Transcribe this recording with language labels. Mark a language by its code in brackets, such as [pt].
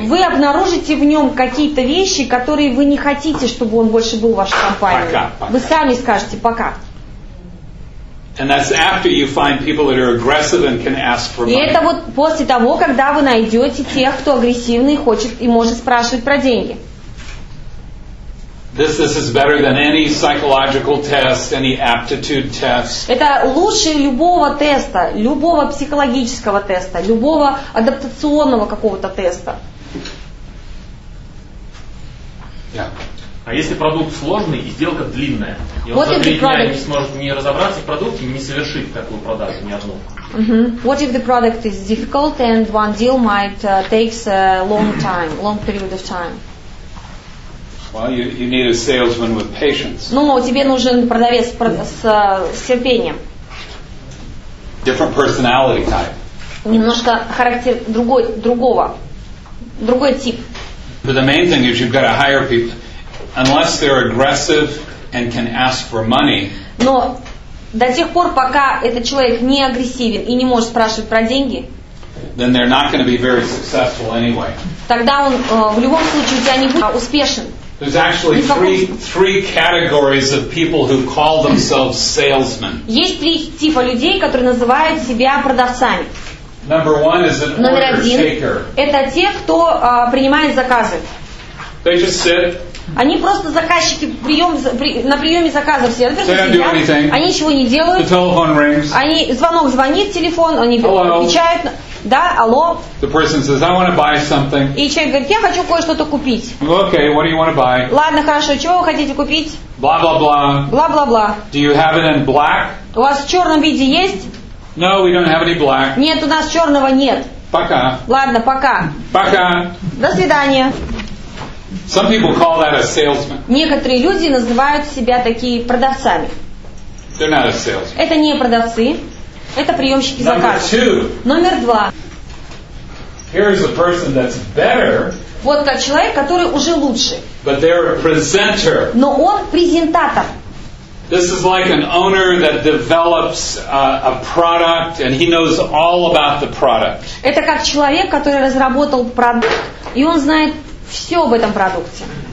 [ru] вы обнаружите в нем какие-то вещи, которые вы не хотите, чтобы он больше был в вашей компании. Пока, пока. Вы сами скажете пока. И это вот после того, когда вы найдете тех, кто агрессивный, хочет и может спрашивать про деньги. [en] This is better than any psychological test, any aptitude test. [ru] Это лучше любого теста, любого психологического теста, любого адаптационного какого-то теста. [en] Yeah. [ru] А если продукт сложный и сделка длинная, и он за 3 дня не сможет не разобраться в продукте, не совершить такую продажу ни одну. [en] What if the product is difficult and one deal might takes a long time, long period of time? Well, you need a salesman with patience. [ru] Ну, тебе нужен продавец с терпением. [en] Different personality type. [ru] Немножко характер другой тип. [en] But the main thing is you've got to hire people unless they're aggressive and can ask for money. [ru] Но до тех пор, пока этот человек не агрессивен и не может спрашивать про деньги. [en] Then they're not going to be very successful anyway. [ru] Тогда он в любом случае у тебя не будет успешен. [en] There's actually three categories of people who call themselves salesmen. [ru] Есть три типа людей, которые называют себя продавцами. [en] Number one is an order taker. [ru] Это те, кто принимает заказы. [en] They just sit. [ru] Они просто заказчики на приеме заказов все. Они ничего не делают. [en] The telephone rings. [ru] Они звонок звонит, телефон, они отвечают. Да, алло. [en] The person says, I want to buy something. [ru] И человек говорит, я хочу кое-что-то купить. [en] Okay, what do you want to buy? [ru] Ладно, хорошо, чего вы хотите купить? Бла-бла-бла. Бла-бла-бла. [en] Do you have it in black? [ru] У вас в черном виде есть? [en] No, we don't have any black. [ru] Нет, у нас черного нет. Пока. Ладно, пока. Пока. До свидания. [en] Some people call that a salesman. [ru] Некоторые люди называют себя такие продавцами. [en] They're not a salesman. [ru] Это не продавцы. Это приемщики заказа. Номер два. [en] Here's a person that's better, [ru] вот тот человек, который уже лучше. [en] But they're a presenter. [ru] Но он презентатор. [en] This is like an owner that develops a product and he knows all about the product. [ru] Это как человек, который разработал продукт, и он знает все об этом продукте.